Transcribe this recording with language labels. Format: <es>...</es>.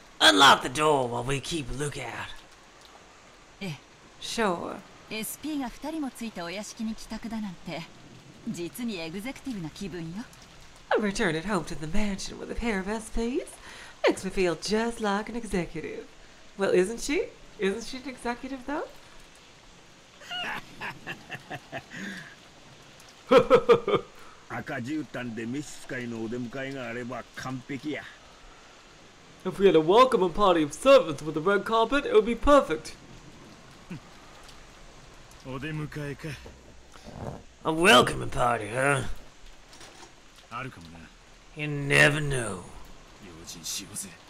<en>unlock the door while we keep a lookout. Sure.</en> <ja>SP が2人もついたお屋敷に帰宅だなんて、実にエグゼクティブな気分よ。</ja> <en>A return at home to the mansion with a pair of SPs makes me feel just like an executive. Well, isn't she? Isn't she an executive, though?</en> <ja>赤絨毯で召使いのお出迎えがあれば完璧や。</ja> <en>If we had a welcome party of servants with a red carpet, it would be perfect.</en> <ja>お出迎えか。</ja> <en>A welcoming party, huh?</en> <ja>あるかもな。</ja> <en>You never know.</en> <ja>用心しようぜ。</ja>